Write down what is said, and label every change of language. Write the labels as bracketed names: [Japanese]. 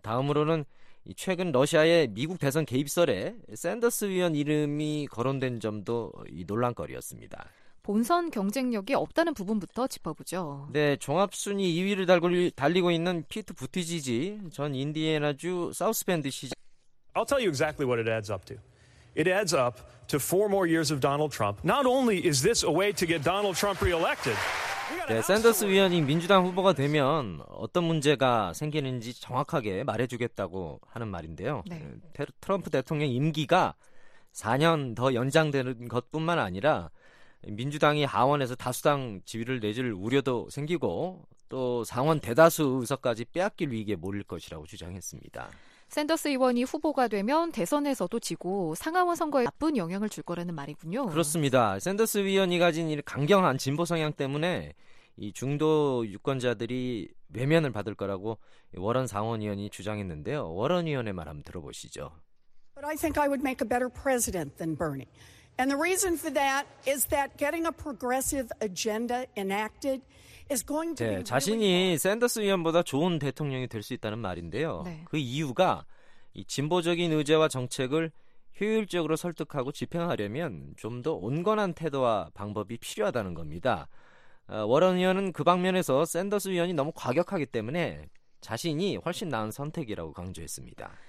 [Korean] 다음으로는 최근 러시아의 미국 대선 개입설에 샌더스 의원 이름이 거론된 점도 논란거리였습니다. 본선 경쟁력이 없다는 부분부터 짚어보죠. 네, 종합순위 2위를 달리고 있는 피트 부티지지 전 인디애나주 사우스밴드 시장. [English] I'll tell you exactly what it adds up to. It adds up to four more years of Donald Trump. Not only is this a way to get Donald Trump re-elected. [Korean] 네, 샌더스 위원이 민주당 후보가 되면 어떤 문제가 생기는지 정확하게 말해주겠다고 하는 말인데요. 네. 트럼프 대통령 임기가 4년 더 연장되는 것뿐만 아니라 민주당이 하원에서 다수당 지위를 내줄 우려도 생기고 또 상원 대다수 의석까지 빼앗길 위기에 몰릴 것이라고 주장했습니다. 샌더스 의원이 후보가 되면 대선에서도 지고 상하원 선거에 나쁜 영향을 줄 거라는 말이군요. 그렇습니다. 샌더스 의원이 가진 강경한 진보 성향 때문에 이 중도 유권자들이 외면을 받을 거라고 워런 상원의원이 주장했는데요. 워런 의원의 말 한번 들어보시죠. [English] But I think I would make a better president than Bernie. And the reason for that is that getting a progressive agenda enacted is going to be [Korean] 네, 자신이 샌더스 의원보다 좋은 대통령이 될 수 있다는 말인데요. 네. 그 이유가 이 진보적인 의제와 정책을 효율적으로 설득하고 집행하려면 좀 더 온건한 태도와 방법이 필요하다는 겁니다. 워런 의원은 그 방면에서 샌더스 의원이 너무 과격하기 때문에 자신이 훨씬 나은 선택이라고 강조했습니다.